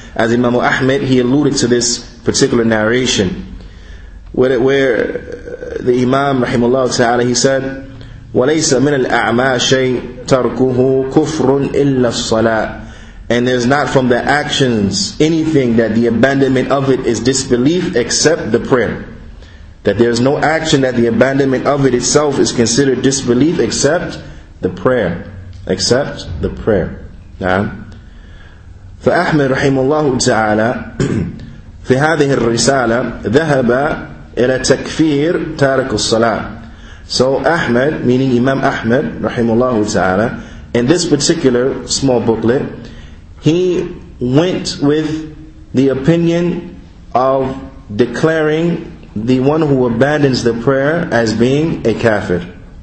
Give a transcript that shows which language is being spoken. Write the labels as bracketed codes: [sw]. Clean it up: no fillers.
[en] As Imam Ahmad, he alluded to this particular narration, where the Imam, rahimahullahu ta'ala, he said, [ar] وَلَيْسَ مِنَ الْأَعْمَى شَيْءٍ تَرْكُهُ كُفْرٌ إِلَّا الصَّلَاةِ. [en] And there's not from the actions anything that the abandonment of it is disbelief except the prayer. That there is no action that the abandonment of it itself is considered disbelief except the prayer. Except the prayer. [ar] فأحمد رحمه الله تعالى في هذه الرسالة ذهب إلى تكفير تارك الصلاة. [en] So Ahmed, meaning Imam Ahmed [ar] رحمه الله تعالى, [en] in this particular small booklet, he went with the opinion of declaring the one who abandons the prayer as being a kafir.